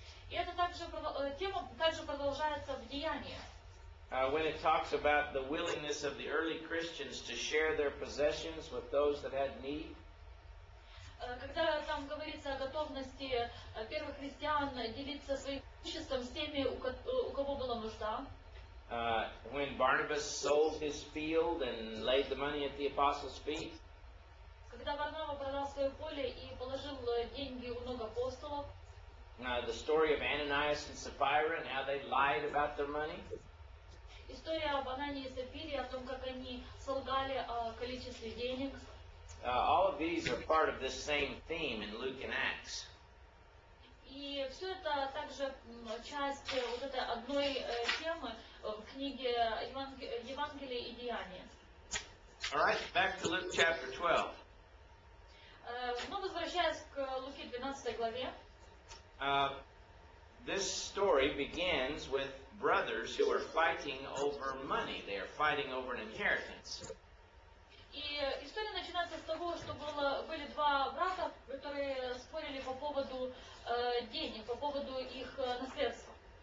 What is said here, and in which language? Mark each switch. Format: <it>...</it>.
<ru>И это также тема также продолжается в Деяниях.</ru> <en>When it talks about the willingness of the early Christians to share their possessions with those that had need.</en> <ru>Когда там говорится о готовности первых христиан делиться своим имуществом с теми, у кого была нужда.</ru> <en>When Barnabas sold his field and laid the money at the apostles' feet.</en> <ru>Когда Варнава продал свое поле и положил деньги у ног апостолов.</ru> <en>The story of Ananias and Sapphira and how they lied about their money.</en> <ru>История об Анании и Сапфире, о том, как они солгали о количестве денег.</ru> <en>All of these are part of this same theme in Luke and Acts.</en> <ru>И все это также часть вот этой одной темы в книге Евангелия и Деяния.</ru> <en>All right, back to Luke chapter 12.</en> <ru>Но возвращаясь к Луке 12 главе.</ru> <en>This story begins with brothers who are fighting over money. They are fighting over an inheritance.</en> <ru>И история начинается с того, что были два брата, которые спорили по поводу денег, по поводу их наследства.</ru>